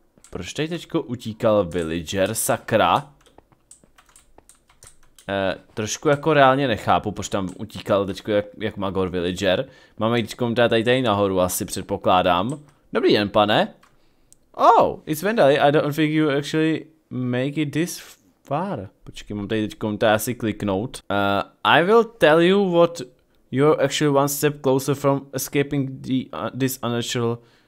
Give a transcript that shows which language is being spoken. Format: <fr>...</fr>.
<cs>Proč tady teďko utíkal villager, sakra? Trošku jako reálně nechápu, proč tam utíkal teďko jak magor villager. Máme teďko tady nahoru, asi předpokládám. Dobrý den, pane.</cs> <en>Oh, it's Vendali, I don't think you actually make it this far.</en> <cs>Počkej, mám tady teďko tady asi kliknout.</cs> <en>I will tell you what you're actually one step closer from escaping this unnatural...</en>